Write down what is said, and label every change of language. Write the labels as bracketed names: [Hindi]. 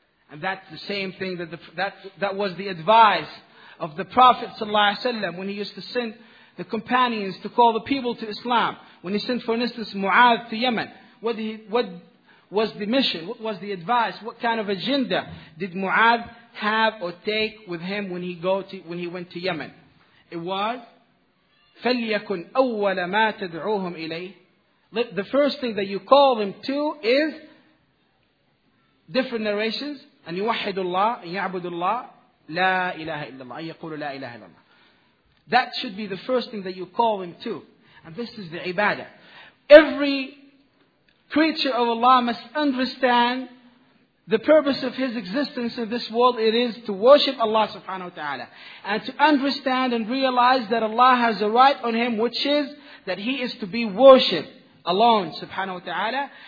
[English] And that's the same thing that was the advice of the Prophet sallallahu alaihi wasallam when he used to send the companions to call the people to Islam. When he sent, for instance, Mu'adh to Yemen, what was the mission? What was the advice? What kind of agenda did Mu'adh have or take with him when he went to Yemen? It was, فَلْيَكُنْ أَوَّلَ مَا تَدْعُوهُمْ إِلَيْهِ. The first thing that you call them to is different narrations, [Arabic] أَنْ يُوَحِّدُ اللَّهِ أَنْ يَعْبُدُ اللَّهِ لَا إِلَهَ إِلَّا اللَّهِ أَنْ يَقُولُ لَا إِلَهَ إِلَّا اللَّهِ. [English] That should be the first thing that you call him to. And this is the ibadah. Every creature of Allah must understand the purpose of his existence in this world, it is to worship Allah subhanahu wa ta'ala. And to understand and realize that Allah has a right on him, which is that he is to be worshipped alone subhanahu wa ta'ala.